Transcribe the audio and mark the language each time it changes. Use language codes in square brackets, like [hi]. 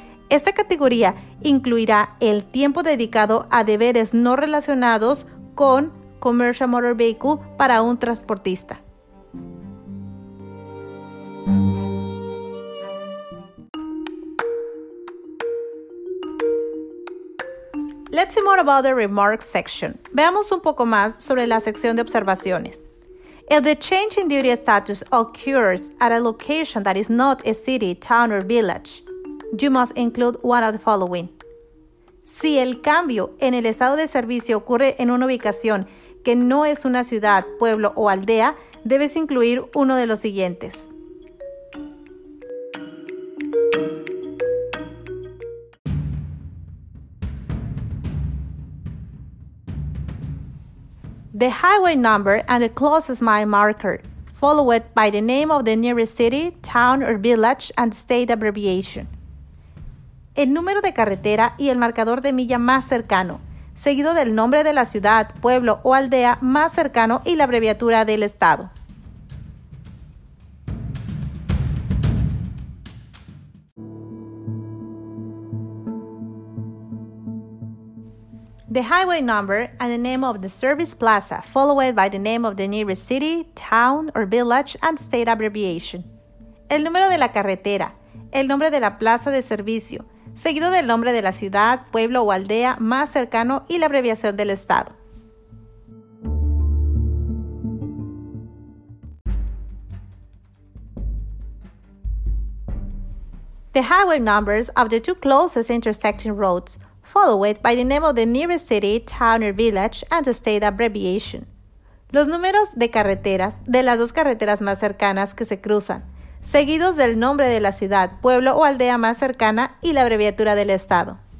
[es] Esta categoría incluirá el tiempo dedicado a deberes no relacionados con Commercial Motor Vehicle para un transportista. [en] Let's see more about the remarks section. [es] Veamos un poco más sobre la sección de observaciones. [en] If the change in duty status occurs at a location that is not a city, town, or village, you must include one of the following. [es] Si el cambio en el estado de servicio ocurre en una ubicación que no es una ciudad, pueblo o aldea, debes incluir uno de los siguientes. [en] The highway number and the closest mile marker, followed by the name of the nearest city, town or village and state abbreviation. [es] El número de carretera y el marcador de milla más cercano, seguido del nombre de la ciudad, pueblo o aldea más cercano y la abreviatura del estado. [en] The highway number and the name of the service plaza, followed by the name of the nearest city, town or village and state abbreviation. [es] El número de la carretera, el nombre de la plaza de servicio, seguido del nombre de la ciudad, pueblo o aldea más cercano y la abreviación del estado. [en] The highway numbers of the two closest intersecting roads, followed by the name of the nearest city, town or village and the state abbreviation. [es] Los números de carreteras de las dos carreteras más cercanas que se cruzan, seguidos del nombre de la ciudad, pueblo o aldea más cercana y la abreviatura del estado.